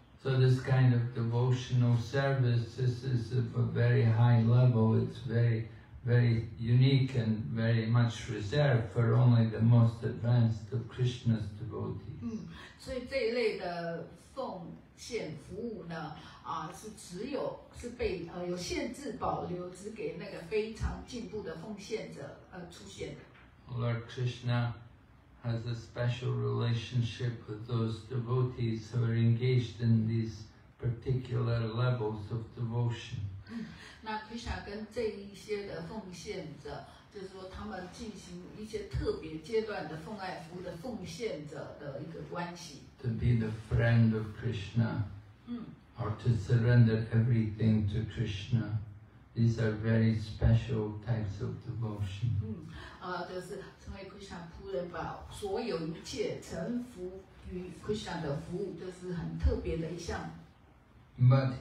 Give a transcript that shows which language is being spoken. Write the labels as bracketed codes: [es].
[en] So this kind of devotional service, this is of a very high level. It's very, very unique and very much reserved for only the most advanced of Krishna's devotees. [zh] 所以这一类的奉 献服务呢，是只有是被有限制保留，只给那个非常进步的奉献者出现的。Lord [en] Krishna has a special relationship with those devotees who are engaged in these particular levels of devotion. [zh] 那 Krishna 跟这一些的奉献者，就是说他们进行一些特别阶段的奉爱服务的奉献者的一个关系。 [en] To be the friend of Krishna, or to surrender everything to Krishna, these are very special types of devotion. [zh] 就是成为 Krishna 仆人，把所有一切臣服于 Krishna 的服务，这是很特别的一项。But